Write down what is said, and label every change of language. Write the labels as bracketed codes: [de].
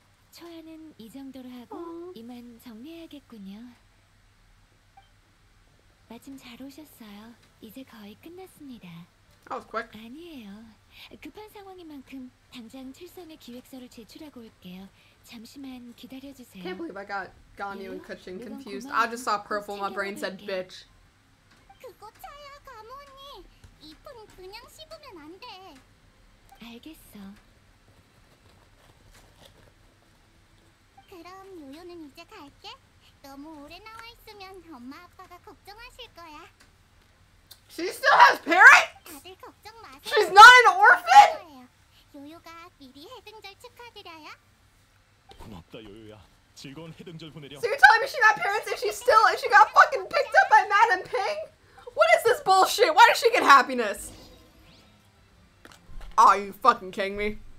[ko] 초안은 이 정도로 하고 이만 정리해야겠군요. 마침 잘 오셨어요. 이제 거의 끝났습니다. [en] That was quick. [ko] 아니에요. 급한 상황인 만큼 당장 칠성의 기획서를 제출하고 올게요. 잠시만 기다려주세요. [en] Can't believe I got Ganyu and Kuching confused. I just saw purple. My brain said bitch. [ko] 그거 차야, 가모 언니. 잎은 그냥 씹으면 안 돼. 알겠어. 그럼 요요는 이제 갈게. 너무 오래 나와 있으면 엄마 아빠가 걱정하실 거야. [en] She still has parents? She's not an orphan? [ko] 요요가 미리 해등절 축하드려요. 고맙다, 요요야. 즐거운 해등절 보내렴. [en] So you're telling me she got parents and she's still and she got fucking picked up by Madame Ping? What is this bullshit? Why does she get happiness? Are you fucking kidding me?